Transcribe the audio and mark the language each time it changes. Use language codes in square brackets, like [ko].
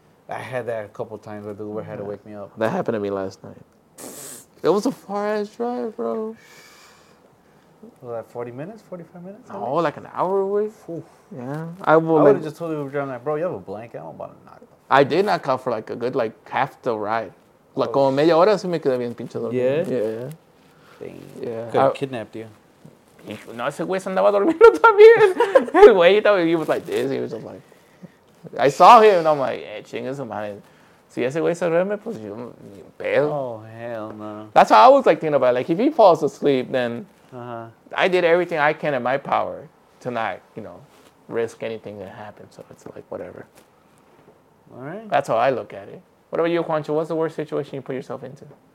[en] I had that a couple times where the Uber had to wake me up. That happened to me last night. It was a far-ass drive, bro. Was that 40 minutes, 45 minutes? No, oh, like an hour away. Oof. Yeah. I would have just told you we were driving, like, bro, you have a blanket. I'm about to knock it. I did knock out for like a good, like, half the ride. [es] Like, como media hora se me quedé bien pinche dormido. [en] Yeah. Dang. Yeah. Could have kidnapped you. [es] No, ese güey se andaba dormido también. El güey, [en] he was like this. He was just like, I saw him and I'm like, [es] chinga su madre. Si ese güey se duerme, pues yo me pedo. [en] Oh, hell no. That's how I was like thinking about it. Like, if he falls asleep, then. Uh-huh. I did everything I can in my power to not, you know, risk anything that happened. So it's like, whatever. All right. That's how I look at it. What about you, Juancho? What's the worst situation you put yourself into?